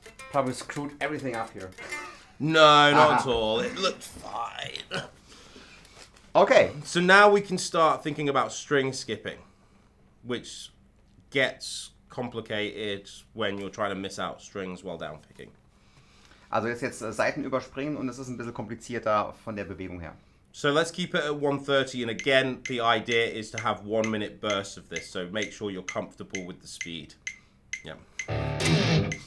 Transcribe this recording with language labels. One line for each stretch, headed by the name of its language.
English: Probably screwed everything up here. No, not at all. It looked fine. Okay. So now we can start thinking about string skipping, which gets complicated when you're trying to miss out strings while downpicking.
German: Also jetzt Saiten überspringen und es ist ein bisschen komplizierter von der Bewegung her.
English: So let's keep it at 130, and again, the idea is to have 1 minute bursts of this, so make sure you're comfortable with the speed. Yeah.